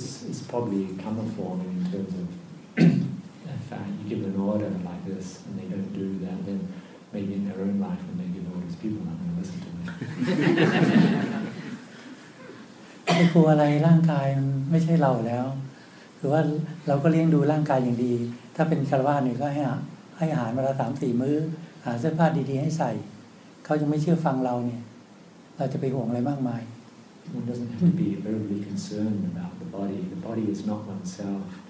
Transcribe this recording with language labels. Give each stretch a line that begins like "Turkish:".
English: It's probably common form in terms of if you give an order like this and they don't do that then maybe in their own life when they give orders people aren't going to listen to them
Thai: ไม่กลัวอะไรร่างกายไม่ใช่เราแล้วคือว่าเราก็เลี้ยงดูร่างกายอย่างดี ถ้าเป็นคารวาสเนี่ยก็ให้อาหารเวลา 3-4 มื้อหาเสื้อผ้าดีๆให้ใส่เขายังไม่เชื่อฟังเราเนี่ยเราจะไปห่วงอะไรมากมาย
English: One doesn't have to be overly concerned about the body. The body is not oneself.